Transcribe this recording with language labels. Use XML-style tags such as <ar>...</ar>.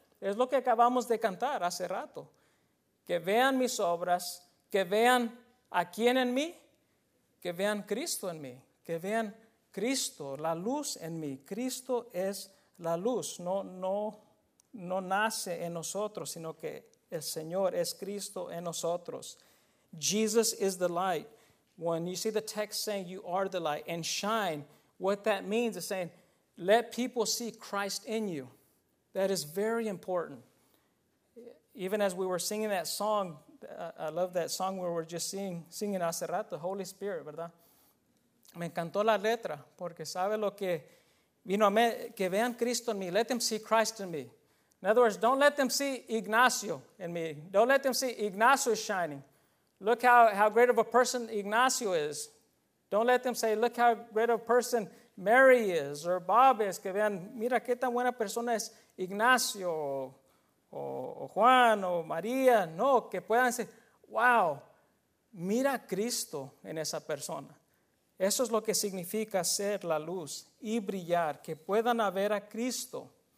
<es>Es lo que acabamos de cantar hace rato. Que vean mis obras, que vean a quién en mí, que vean Cristo en mí, que vean Cristo, la luz en mí. Cristo es la luz. No nace en nosotros, sino que el Señor es Cristo en nosotros.</es> <en>Jesus is the light. When you see the text saying you are the light and shine, what that means is saying, let people see Christ in you. That is very important. Even as we were singing that song, I love that song where we're just singing</en> <es>hace rato,</es> <en>the Holy Spirit, ¿verdad?</en> <es>Me encantó la letra, porque sabe lo que vino a mí, que vean Cristo en mí.</es> <en>Let them see Christ in me. In other words, don't let them see Ignacio in me. Don't let them see Ignacio is shining. Look how great of a person Ignacio is. Don't let them say, look how great of a person Mary is or Bob is.</en> <es>Que vean, mira qué tan buena persona es Ignacio o Juan o María. No, que puedan decir, wow, mira a Cristo en esa persona. Eso es lo que significa ser la luz y brillar, que puedan ver a Cristo.</es>